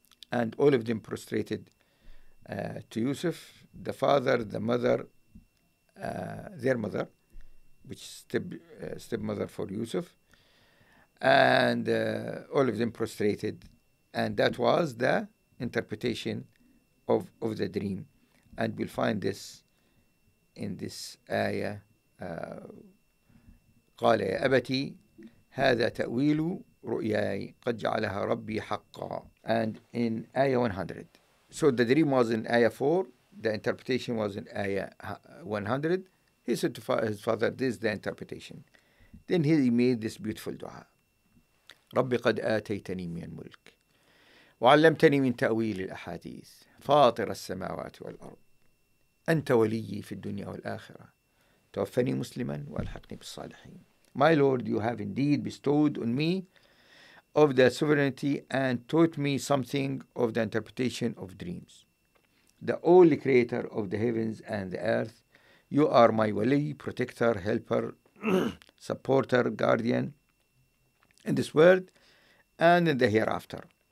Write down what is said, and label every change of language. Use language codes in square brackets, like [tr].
[en] And all of them prostrated to Yusuf, the father, the mother, their mother, which is stepmother for Yusuf. And all of them prostrated. And that was the interpretation of the dream. And we'll find this in this ayah. [ar] قال يا أبتي هذا تأويل رؤياي قد جعلها ربي حقا. [en] And in ayah 100. So the dream was in ayah 4. The interpretation was in ayah 100. He said to his father, this is the interpretation. Then he made this beautiful dua. [ar] ربي قد آتيتني من الملك وعلمتني من تأويل الأحاديث فاطر السماوات والأرض أنت ولي في الدنيا والآخرة توفني مسلما وألحقني بالصالحين. [en] My Lord, you have indeed bestowed on me of the sovereignty and taught me something of the interpretation of dreams. The only creator of the heavens and the earth, you are my wali, protector, helper, supporter, guardian in this world and in the hereafter.